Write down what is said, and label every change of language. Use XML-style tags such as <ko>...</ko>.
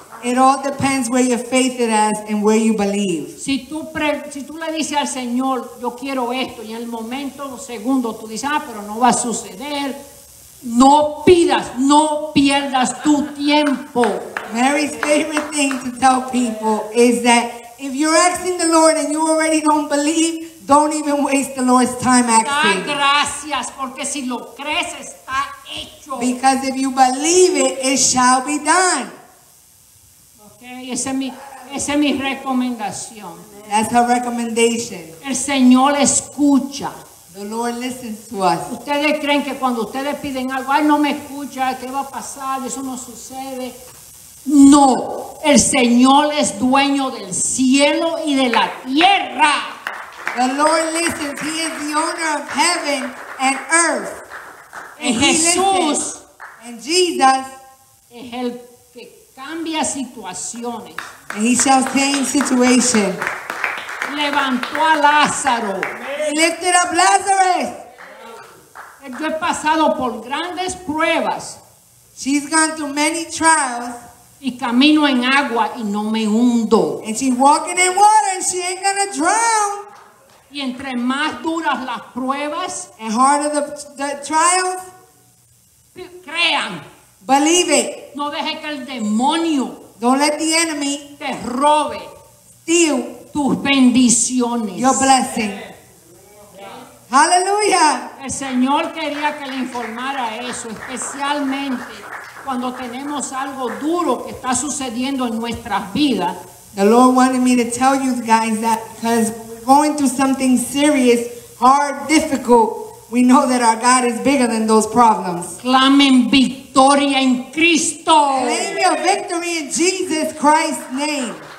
<en>It all depends where your faith it has and where you believe.</en> <es>Si tú le dices al Señor, yo quiero esto, y en el momento, en el segundo, tú dices, ah, pero no va a suceder. No pidas, no pierdas tu tiempo.</es> <en>Mary's favorite thing to tell people is that if you're asking the Lord and you already don't believe, don't even waste the Lord's time asking.</en> <es>Da gracias, porque si lo crees, está hecho.</es> <en>Because if you believe it, it shall be done.</en> <es>Okay, esa es mi recomendación.</es> <en>That's her recommendation.</en> <es>El Señor escucha.</es> <en>The Lord listens to us.</en> <es>Ustedes creen que cuando ustedes piden algo, ay, no me escucha, ¿qué va a pasar? Eso no sucede. No, el Señor es dueño del cielo y de la tierra.</es> <en>The Lord listens. He is the owner of heaven and earth. And Jesús, and Jesus,</en> <es>es el que cambia situaciones.</es> <en>And he shall change situations.</en> <es>Levantó a Lázaro.</es> <en>He lifted up Lazarus.</en> <es>Yo he pasado por grandes pruebas.</es> <en>She's gone through many trials.</en> <es>Y camino en agua y no me hundo.</es> <en>And she's walking in water and she ain't gonna drown.</en> <es>Y entre más duras las pruebas,</es> <en>and harder the trials,</en> <es>crean.</es> <en>Believe it.</en> <es>No deje que el demonio,</es> <en>don't let the enemy,</en> <es>te robe,</es> <en>steal</en> <es>tus bendiciones,</es> <en>your blessing. Aleluya.</en> <es>El Señor quería que le informara eso, especialmente cuando tenemos algo duro que está sucediendo en nuestras vidas.</es> <en>The Lord wanted me to tell you guys that because we're going through something serious, hard, difficult, we know that our God is bigger than those problems.</en> <es>Clamen victoria en Cristo.</es> <en>Claim your victory in Jesus Christ's name.</en>